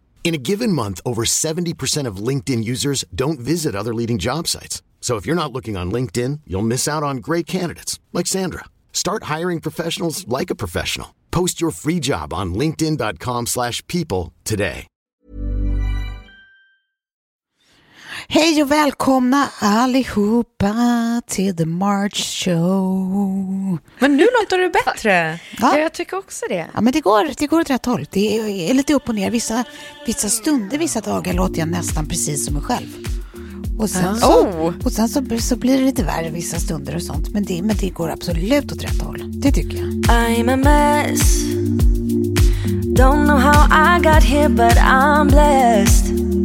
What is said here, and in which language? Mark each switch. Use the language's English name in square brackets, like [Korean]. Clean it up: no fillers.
[English] In a given month, over 70% of LinkedIn users don't visit other leading job sites. So if you're not looking on LinkedIn, you'll miss out on great candidates, like Sandra. Start hiring professionals like a professional. Post your free job on linkedin.com/people today. [Swedish] Hej och välkomna allihopa till The March Show. Men nu låter du bättre. Va? Ja, jag tycker också det. Ja, men det går åt rätt håll. Det är lite upp och ner. Vissa stunder, vissa dagar låter jag nästan precis som mig själv. Och sen, så blir det lite värre vissa stunder och sånt. Men det går absolut åt rätt håll. Det tycker jag. [English] I'm a mess. Don't know how I got here but I'm blessed.